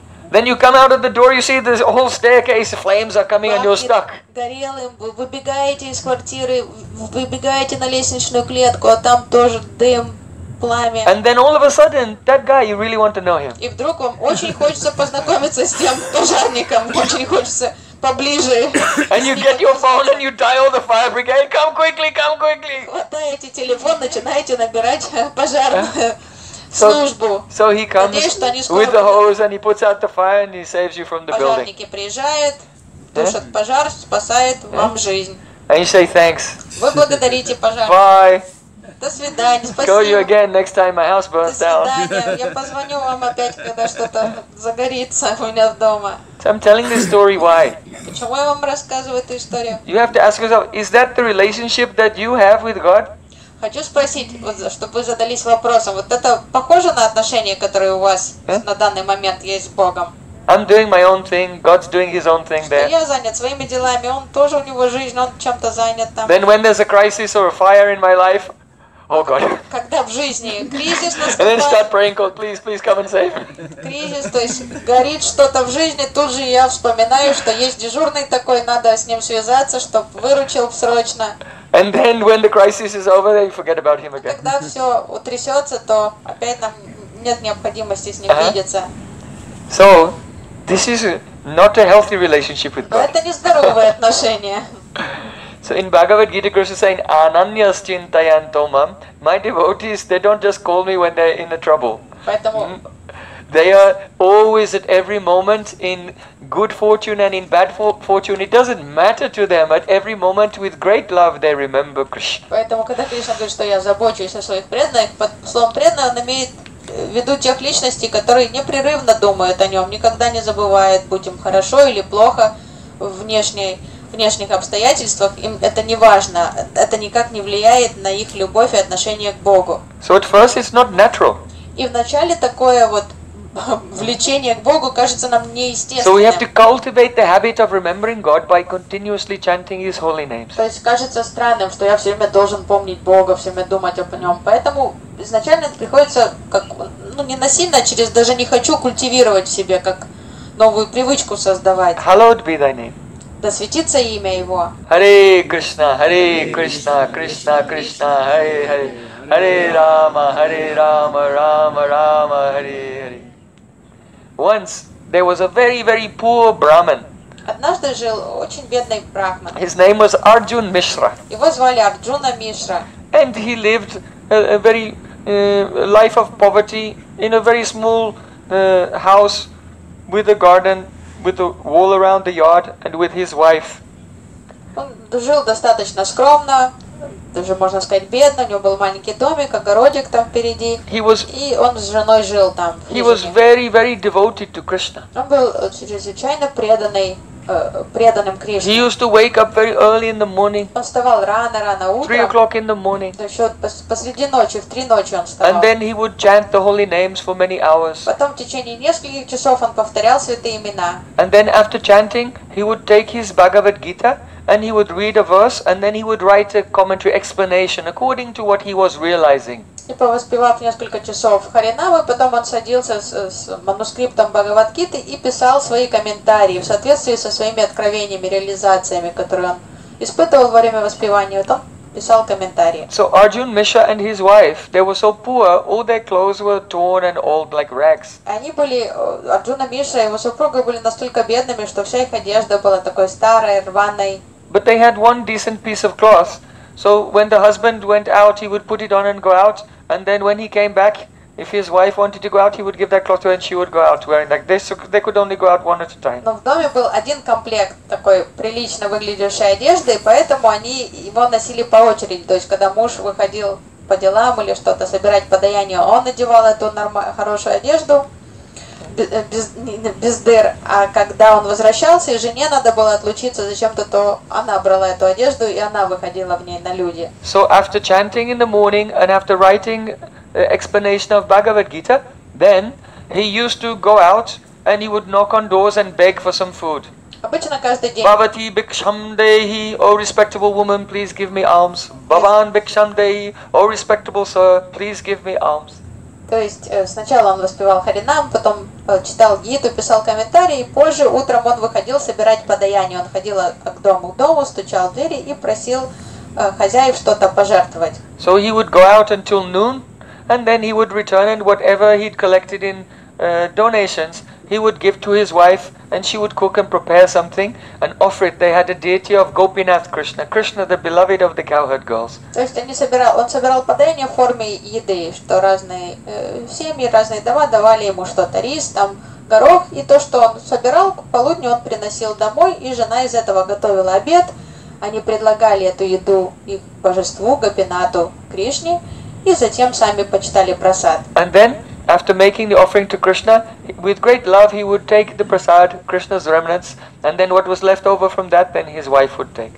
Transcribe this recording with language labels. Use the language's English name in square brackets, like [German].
[English] Then you come out of the door, you see the whole staircase, flames are coming, and you're stuck. [Russian] Горелым, вы выбегаете из квартиры, выбегаете на лестничную клетку, а там тоже дым. [English] And then all of a sudden, that guy, you really want to know him. [Russian] И вдруг вам очень хочется познакомиться с тем пожарником, очень хочется поближе. [English] And you get your phone and you dial the fire brigade. Come quickly, come quickly. [Russian] Хватаете телефон, начинаете набирать пожарную службу. [English] So he comes with the hose and he puts out the fire and he saves you from the building. [Russian] Пожарники приезжают, тушат пожар, спасает вам жизнь. [English] And you say thanks. [Russian] Вы благодарите пожарника. [English] Bye. [Russian] До свидания. Спасибо. [English] Call you again next time my house burns down. [Russian] До свидания. Я позвоню вам опять, когда что-то загорится у меня дома. [English] So I'm telling this story why? [Russian] Почему я вам рассказываю эту историю? [English] You have to ask yourself, is that the relationship that you have with God? [Russian] Хочу спросить, вот, чтобы вы задались вопросом. Вот это похоже на отношения, которые у вас на данный момент есть с Богом? [English] I'm doing my own thing. God's doing His own thing there. [Russian] Я занят своими делами. Он тоже, у него жизнь, он чем-то занят там. [English] Then when there's a crisis or a fire in my life. Oh God. [Russian] Когда в жизни кризис наступает. [English] And then start praying, God, please come and save me. [Russian] Кризис, то есть горит что-то в жизни, тут же я вспоминаю, что есть дежурный такой, надо с ним связаться, чтобы выручил срочно. [English] And then when the crisis is over, then you forget about him again. [Russian] Когда все утрясется, то опять нам нет необходимости с ним видеться. [English] So this is not a healthy relationship with God. [Russian] Это не здоровые отношения. [English] So in Bhagavad Gita, Krishna is saying, [Sanskrit] "Ananyas chintayantomam." [English] My devotees, they don't just call me when they're in the trouble. They are always at every moment in good fortune and in bad fortune. It doesn't matter to them. At every moment, with great love, they remember Krishna. [Russian] Поэтому когда Кришна говорит, что я забочусь о своих преданных, под словом преданный он имеет в виду тех личностей, которые непрерывно думают о нем, никогда не забывают, будь им хорошо или плохо внешних обстоятельствах, им это не важно, это никак не влияет на их любовь и отношение к Богу. [English] So at first it's not natural. [Russian] И вначале такое вот влечение к Богу кажется нам неестественным. [English] So we have to cultivate the habit of remembering God by continuously chanting His holy names. [Russian] То есть кажется странным, что я все время должен помнить Бога, все время думать об Нем. Поэтому изначально приходится как, ну не насильно, а через даже не хочу культивировать в себе, как новую привычку создавать. [English] Hallowed be thy name. [Russian] Да светится имя Его. [Sanskrit] Hare Krishna, Krishna Krishna, Hare Hare, Hare Rama, Rama Rama, Hare Hare. [English] Once there was a very very poor Brahmin. [Russian] Однажды жил очень бедный брахман. [English] His name was Arjun Mishra. [Russian] Его звали Арджуна Мишра. [English] And he lived a very life of poverty in a very small house with a garden. With a wall around the yard and with his wife. [Russian] Он жил достаточно скромно, даже можно сказать бедно, у него был маленький домик, огородик там впереди, и он с женой жил там. [English] He was very, very devoted to Krishna. [Russian] Он был чрезвычайно преданным Кришне. [English] He used to wake up very early in the morning. [Russian] Он вставал рано-рано утром. [English] 3 o'clock in the morning. [Russian] То есть посреди ночи, в 3 ночи он вставал. [English] And then he would chant the holy names for many hours. [Russian] Потом в течение нескольких часов он повторял святые имена. [English] And then after chanting, he would take his Bhagavad Gita. And he would read a verse, and then he would write a commentary explanation according to what he was realizing. [Russian] И повоспевав несколько часов Харинамы, потом он садился с манускриптом Бхагавад-гиты и писал свои комментарии в соответствии со своими откровениями, реализациями, которые он испытывал во время воспевания. Вот он писал комментарии. [English] So Arjun, Misha, and his wife, they were so poor, all their clothes were torn and old like rags. [Russian] Они были, Арджуна, Миша и его супруга были настолько бедными, что вся их одежда была такой старой, рваной. [English] But they had one decent piece of cloth, so when the husband went out, he would put it on and go out, and then when he came back, if his wife wanted to go out, he would give that cloth to her and she would go out wearing like this, so they could only go out one at a time. [Russian] Но в доме был один комплект такой прилично выглядящей одежды, поэтому они его носили по очереди, то есть когда муж выходил по делам или что-то собирать подаяние, он надевал эту хорошую одежду. Без дыр, а когда он возвращался, и жене надо было отлучиться зачем-то, то она брала эту одежду, и она выходила в ней на люди. [English] So after chanting in the morning and after writing explanation of Bhagavad Gita, then he used to go out and he would knock on doors and beg for some food. [Russian] Обычно каждый день. [Sanskrit] Bhavati Bhiksham Dehi, [English] O respectable woman, please give me alms. [Sanskrit] Bhavan Bhiksham Dehi, [English] O respectable sir, please give me alms. [Russian] То есть сначала он воспевал Харинам, потом читал Гиту, писал комментарии, и позже утром он выходил собирать подаяние. Он ходил к дому, стучал в двери и просил хозяев что-то пожертвовать. [English] So he would go out until noon, and then he would return, and whatever he'd collected in donations, he would give to his wife, and she would cook and prepare something and offer it. They had a deity of Gopinath Krishna, Krishna, the beloved of the cowherd girls. [Russian] То есть он собирал подаяние в форме еды, что разные семьи, разные дома давали ему что-то, рис, там, горох, и то, что он собирал, к полудню он приносил домой, и жена из этого готовила обед. Они предлагали эту еду их божеству, Гопинату Кришне, и затем сами почитали прасад. [English] And then, after making the offering to Krishna, with great love, he would take the prasad, Krishna's remnants, and then what was left over from that, then his wife would take.